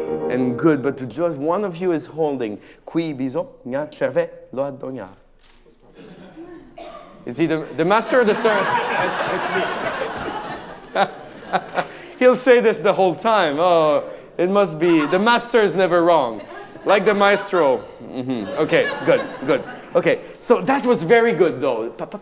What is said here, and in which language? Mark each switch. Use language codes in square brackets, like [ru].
[en] And good, but just one of you is holding. [it] Qui bisogna cervello adoprare. [en] Is he the master or the servant? It's me. He'll say this the whole time. Oh, it must be. The master is never wrong. Like the maestro. Mm-hmm. Okay, good. Okay, so that was very good, though.